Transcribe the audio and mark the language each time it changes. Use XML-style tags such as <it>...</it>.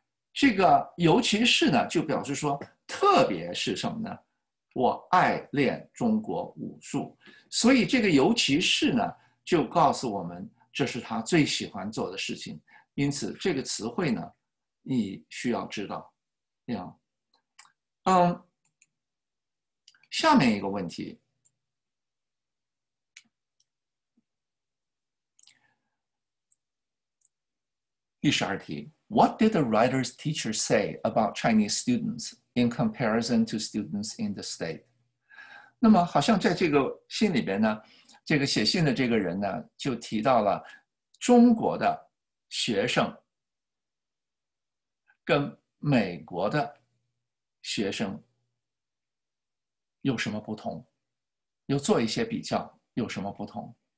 <zh>这个尤其是呢，就表示说特别是什么呢？我爱练中国武术。所以这个尤其是呢，就告诉我们这是他最喜欢做的事情。因此这个词汇呢，你需要知道。下面一个问题，第十二题</zh> <en>What did the writer's teacher say about Chinese students in comparison to students in the state?</en> <zh>那么好像在这个信里边呢，这个写信的这个人呢，就提到了中国的学生跟美国的学生有什么不同，有做一些比较有什么不同。</zh>